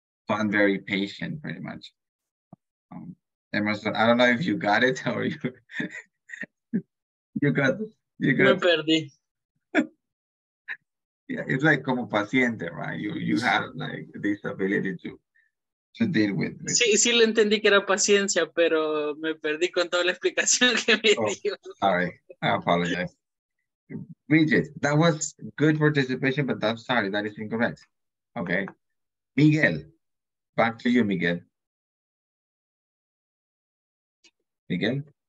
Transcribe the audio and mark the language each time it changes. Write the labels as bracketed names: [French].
[English] So I'm very patient pretty much. Emerson, I don't know if you got it or you you got [Spanish] me perdí. [English] Yeah, it's like [Spanish] como paciente, [English] right? You have like this ability to deal with. [Spanish] Sí, lo entendí que era paciencia, pero me perdí con toda la explicación que me dio. [English] Sorry, I apologize. Bridget, that was good participation, but I'm sorry, that is incorrect. Okay. Miguel, back to you, Miguel. Miguel?